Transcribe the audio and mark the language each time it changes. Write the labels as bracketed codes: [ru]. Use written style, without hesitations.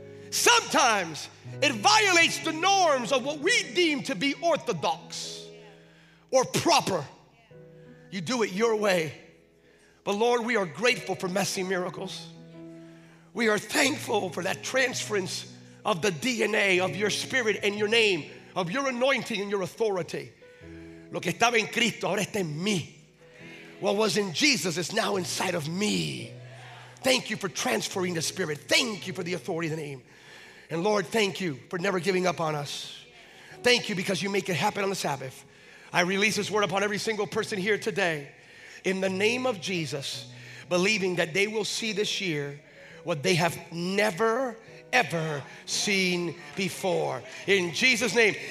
[en] Sometimes it violates the norms of what we deem to be orthodox or proper. You do it your way. But Lord, we are grateful for messy miracles. We are thankful for that transference of the DNA of your Spirit and your name, of your anointing and your authority. [es] Lo que estaba en Cristo ahora está en mí. [en] What was in Jesus is now inside of me. Thank you for transferring the Spirit. Thank you for the authority of the name. And Lord, thank you for never giving up on us. Thank you because you make it happen on the Sabbath. I release this word upon every single person here today in the name of Jesus, believing that they will see this year what they have never, ever seen before. In Jesus' name.